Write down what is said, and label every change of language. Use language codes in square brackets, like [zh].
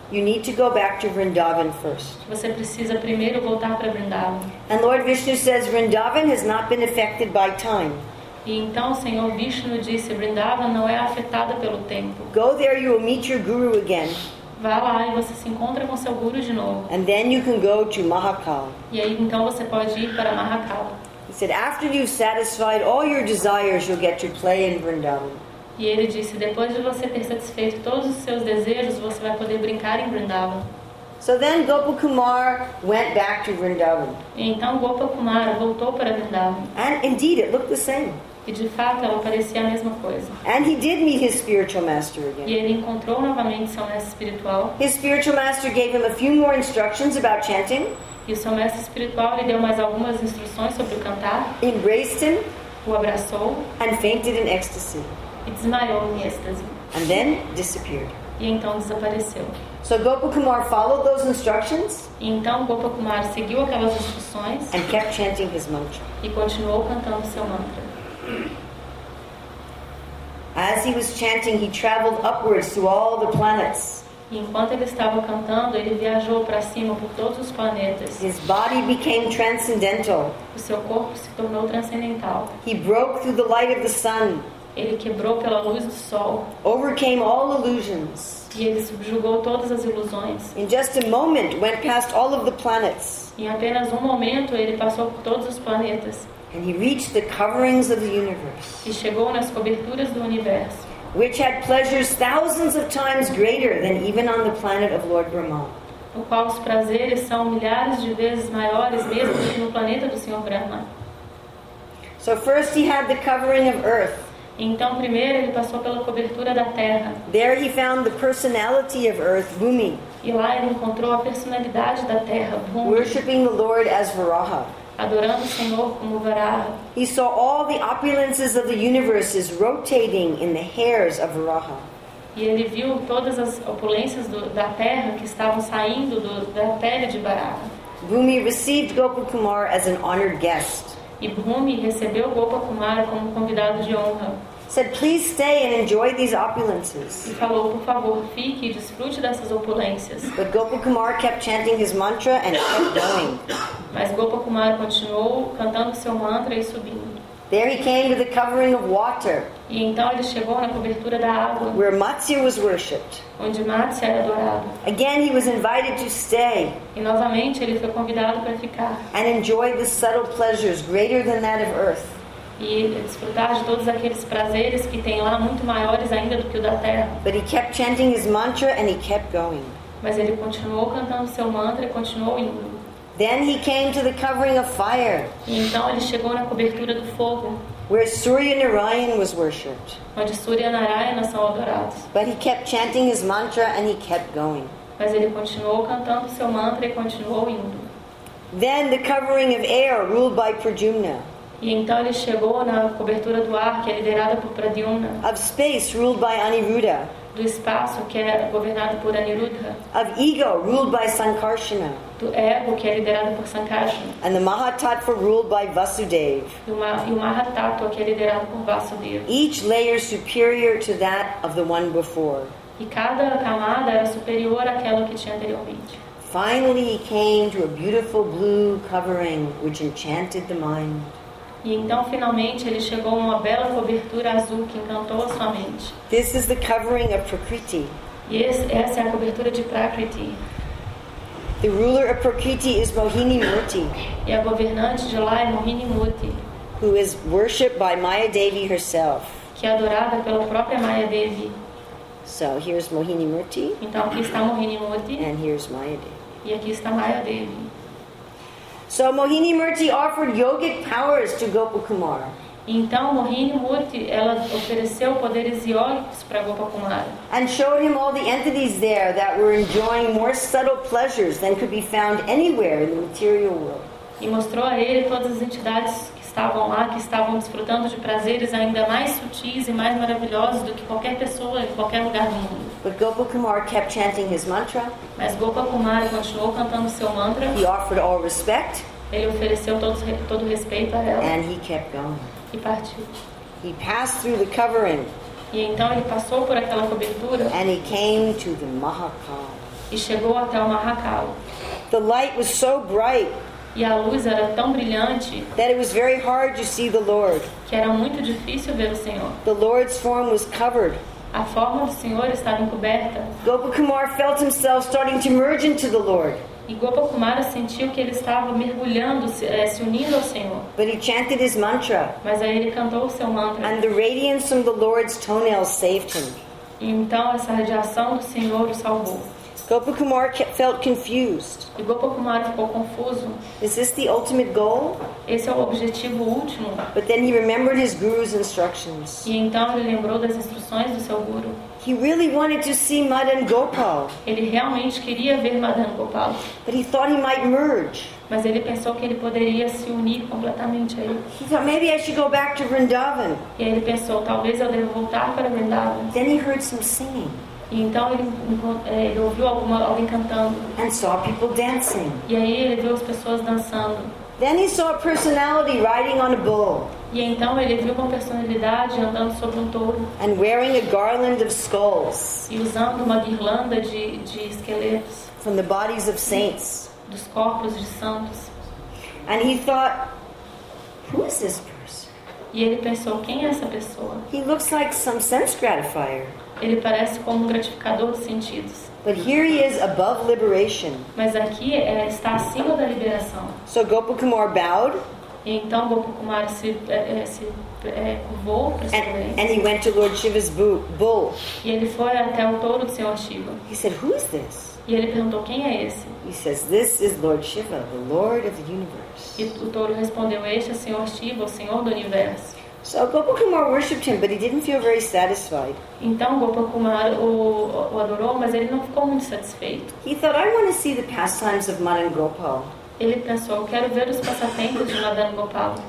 [en] You need to go back to Vrindavan first. [pt] Você precisa primeiro voltar para Vrindavan. [en] And Lord Vishnu says Vrindavan has not been affected by time. [pt] E então o Senhor Vishnu disse Vrindavan não é afetada pelo tempo. [en] Go there, you will meet your guru again. [pt] Vá lá e você se encontra com seu guru de novo. [en] And then you can go to Mahakal. [pt] E aí então você pode ir para Mahakal. [en] He said, after you've satisfied all your desires, you'll get to play in Vrindavan. [pt] E ele disse, depois de você ter satisfeito todos os seus desejos, você vai poder brincar em Vrindavan. [en] So then Gopal Kumar went back to Vrindavan. [pt] E então Gopal Kumar voltou para Vrindavan. [en] And indeed, it looked the same. [pt] E de fato, ela parecia a mesma coisa. [en] And he did meet his spiritual master again. [pt] E ele encontrou novamente seu mestre espiritual. [en] His spiritual master gave him a few more instructions about chanting. [pt] E o seu mestre espiritual lhe deu mais algumas instruções sobre o cantar. [en] Embraced him. [pt] O abraçou. [en] And fainted in ecstasy. [pt] E desmaiou em êxtase. [en] And then disappeared. [pt] E então desapareceu. [en] So Gopal Kumar followed those instructions. [pt] E então Gopal Kumar seguiu aquelas instruções. [en] And kept chanting his mantra. [pt] E continuou cantando seu mantra. [en] As he was chanting, he traveled upwards to all the planets. [pt] E enquanto ele estava cantando, ele viajou para cima por todos os planetas. [en] His body became transcendental. [pt] O seu corpo se tornou transcendental. [en] He broke through the light of the sun. [pt] Ele quebrou pela luz do sol. [en] Overcame all illusions. [pt] E ele subjugou todas as ilusões. [en] In just a moment, went past all of the planets. [pt] Em apenas um momento, ele passou por todos os planetas. [en] And he reached the coverings of the universe. [pt] E chegou nas coberturas do universo. [en] Which had pleasures thousands of times greater than even on the planet of Lord Brahma. [pt] O qual os prazeres são milhares de vezes maiores mesmo que no planeta do Senhor Brahma. [en] So first he had the covering of Earth. [pt] Então primeiro ele passou pela cobertura da Terra. [en] There he found the personality of Earth, Bhumi. [pt] E lá ele encontrou a personalidade da Terra, Bhumi. [en] Worshipping the Lord as Varaha. [pt] Adorando o Senhor como Varaha. [en] He saw all the opulences of the universes rotating in the hairs of Varaha. [pt] E ele viu todas as opulências da Terra que estavam saindo da pele de Varaha. [en] Bhumi received Gopal Kumar as an honored guest. [pt] E Bhumi recebeu Gopal Kumar como convidado de honra. [en] Said, please stay and enjoy these opulences. [pt] E falou, por favor, fique e desfrute dessas opulências. [en] But Gopal Kumar kept chanting his mantra and kept going. [pt] Mas Gopal Kumar continuou cantando seu mantra e subindo. [en] There he came to the covering of water. [pt] E então ele chegou na cobertura da água. [en] Where Matsya was worshipped. [pt] Onde Matsya era adorado. [en] Again he was invited to stay. [pt] E novamente ele foi convidado para ficar. [en] And enjoy the subtle pleasures greater than that of earth. [pt] E desfrutar de todos aqueles prazeres que tem lá muito maiores ainda do que o da terra. [en] But he kept chanting his mantra and he kept going. [pt] Mas ele continuou cantando seu mantra e continuou indo. [en] Then he came to the covering of fire. [pt] E então ele chegou na cobertura do fogo. [en] Where Surya Narayan was worshipped. [pt] Onde Surya Narayana são adorados. [en] But he kept chanting his mantra and he kept going. [pt] Mas ele continuou cantando seu mantra e continuou indo. [en] Then the covering of air ruled by Pradyumna. [pt] E então ele chegou na cobertura do ar, que é liderada por Pradyumna. [en] Of space, ruled by Aniruddha. [pt] Do espaço, que é governado por Aniruddha. [en] Of ego, ruled by Sankarsana. [pt] Do ego, que é liderado por Sankarsana. [en] And the Mahatattva, ruled by Vasudeva. [pt] E o Mahatattva, que é liderado por Vasudeva. [en] Each layer superior to that of the one before. [pt] E cada camada era superior àquela que tinha anteriormente. [en] Finally he came to a beautiful blue covering, which enchanted the mind. [pt] E então, finalmente, ele chegou a uma bela cobertura azul que encantou a sua mente. [en] This is the covering of Prakriti. [pt] Essa é a cobertura de Prakriti. [en] The ruler of Prakriti is Mohini Murti. [pt] E a governante de lá é Mohini Murti. [en] Who is worshipped by Maya Devi herself. [pt] Que é adorada pela própria Maya Devi. [en] So, here's Mohini Murti. [pt] Então, aqui está Mohini Murti. [en] And here's Maya Devi. [pt] E aqui está Maya Devi. [en] So Mohini Murti offered yogic powers to Gopal Kumar. [pt] Então Mohini Murti ela ofereceu poderes iógicos para Gopal Kumar. [en] And showed him all the entities there that were enjoying more subtle pleasures than could be found anywhere in the material world. [pt] E mostrou a ele todas as entidades que estavam lá, que estavam desfrutando de prazeres ainda mais sutis e mais maravilhosos do que qualquer pessoa em qualquer lugar do mundo. [en] But Gopal Kumar kept chanting his mantra. [pt] Mas Gopal Kumar continuou cantando seu mantra. [en] He offered all respect. [pt] Ele ofereceu todo respeito a ela. [en] And he kept going. [pt] E partiu. [en] He passed through the covering. [pt] E então ele passou por aquela cobertura. [en] And he came to the Mahakal. [pt] e chegou até o Mahakala. [en] The light was so bright. [pt] E a luz era tão brilhante. [en] That it was very hard to see the Lord. [pt] Que era muito difícil ver o Senhor. [en] The Lord's form was covered. [pt] A forma do Senhor estava encoberta. [en] Gopakumara felt himself starting to merge into the Lord. [pt] E Gopakumara sentiu que ele estava mergulhando, se unindo ao Senhor. [en] But he chanted his mantra. [pt] Mas aí ele cantou o seu mantra. [en] And the radiance from the Lord's toenails saved him. [pt] E então essa radiação do Senhor o salvou. [en] Gopakumara felt confused. [pt] E Gopakumara ficou confuso. [en] Is this the ultimate goal? [pt] Esse é o objetivo último. [en] But then he remembered his guru's instructions. [pt] E então ele lembrou das instruções do seu guru. [en] He really wanted to see Madan Gopal. [pt] Ele realmente queria ver Madan Gopal. [en] But he thought he might merge. [pt] Mas ele pensou que ele poderia se unir completamente a ele. [en] He thought maybe I should go back to Vrindavan. [pt] E ele pensou, talvez eu deva voltar para Vrindavan. [en] Then he heard some singing. [pt] E então ele ouviu alguém cantando. [en] And saw people dancing. [pt] E aí ele viu as pessoas dançando. [en] Then he saw a personality riding on a bull. [pt] E então ele viu uma personalidade andando sobre um touro. [en] And wearing a garland of skulls. [pt] E usando uma guirlanda de esqueletos. [en] From the bodies of saints. [pt] Dos corpos de santos. [en] And he thought, who is this person? [pt] E ele pensou, quem é essa pessoa? [en] He looks like some sense gratifier. [pt] Ele parece como um gratificador dos sentidos. [en] But here he is above liberation. [pt] Mas aqui está acima da liberação. [en] So Gopakumara bowed. [pt] E então Gopakumara se curvou para [en] and, and he went to Lord Shiva's bull. [pt] E ele foi até o touro do Senhor Shiva. [en] He said, "Who is this?" [pt] E ele perguntou, quem é esse? [en] He says, "This is Lord Shiva, the Lord of the universe." [pt] E o touro respondeu, este é o Senhor Shiva, o Senhor do universo. [en] So Gopakumara worshipped him, but he didn't feel very satisfied. [pt] Então Gopakumara o adorou, mas ele não ficou muito satisfeito. [en] He thought, I want to see the pastimes of Madan Gopal. [pt] Ele pensou, quero ver os passatempos de Madan Gopal.